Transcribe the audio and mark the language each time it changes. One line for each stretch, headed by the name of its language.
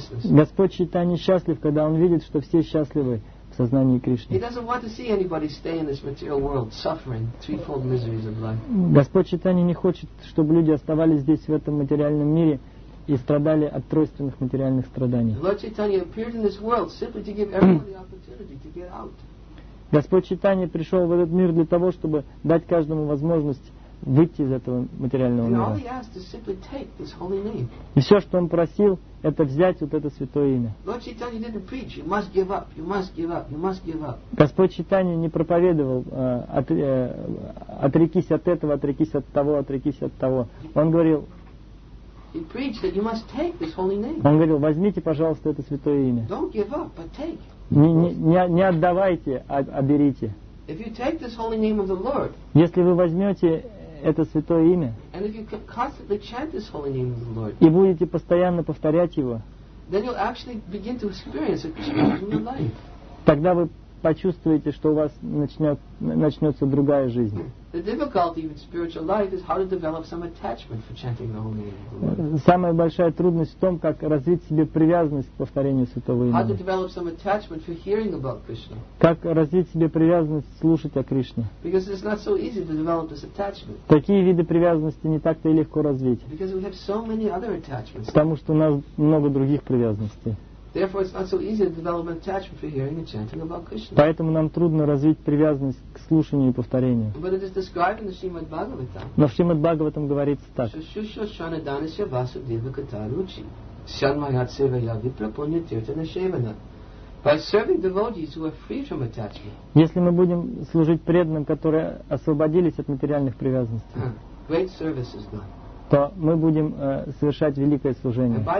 Russian: Господь Чайтанье счастлив, когда он видит, что все счастливы.
English: He doesn't want to see anybody stay in this material world suffering threefold miseries of life.
Russian: Господь Чайтанья не хочет, чтобы люди оставались здесь в этом материальном мире и страдали от тройственных материальных страданий.
English: Lord Chaitanya appeared in this world simply to give everyone the opportunity to get out.
Russian: Господь Чайтанья пришел в этот мир для того, чтобы дать каждому возможность выйти из этого материального мира. И все, что он просил, это взять вот это святое имя. Господь Чайтанья не проповедовал: отрекись от этого, отрекись от того, отрекись от того. Он говорил, возьмите, пожалуйста, это святое имя. Не отдавайте, а берите. Если вы возьмете это святое имя,
English: and if you constantly chant this holy name of the Lord,
Russian: и будете постоянно повторять его,
English: then you'll actually begin to experience a change in your life.
Russian: Тогда вы почувствуете, что у вас начнется другая жизнь.
English: The difficulty with spiritual life is how to develop some attachment for chanting the holy name.
Russian: Самая большая трудность в том, как развить себе привязанность к повторению святого имени.
English: How to develop some attachment for hearing about Krishna.
Russian: Как развить себе привязанность слушать о Кришне.
English: Because it's not so easy to develop this attachment.
Russian: Такие виды привязанности не так-то и легко развить.
English: Because we have so many other attachments.
Russian: Потому что у нас много других привязанностей.
English: Therefore, it's not so easy to develop an attachment for hearing and chanting about Krishna.
Russian: Поэтому нам трудно развить привязанность к слушанию и повторению.
English: But it is described in the Srimad Bhagavatam.
Russian: Но в Шримад Бхагаватам говорится так.
Sanskrit: Шушо шана данасья васудева катаручи. Сянмайат севая випра пунья тиртана шевана.
English: By serving devotees who are free from attachment.
Russian: Если мы будем служить преданным, которые освободились от материальных привязанностей.
English: Great service is done.
Russian: То мы будем совершать великое служение.